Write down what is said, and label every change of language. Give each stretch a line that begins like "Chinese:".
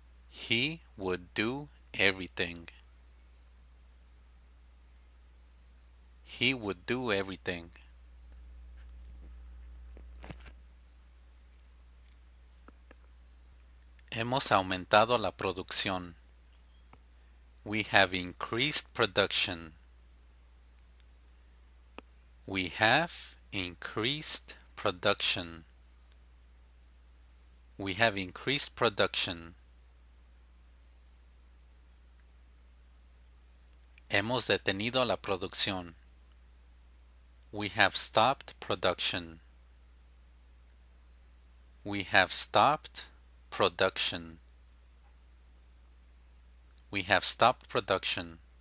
English: He would do everything. He would do everything.
Spanish: Hemos aumentado la producción.
English: We have increased production. We have increased production. We have increased production.
Spanish: Hemos detenido la producción.
English: We have stopped production. We have stopped production. We have stopped production.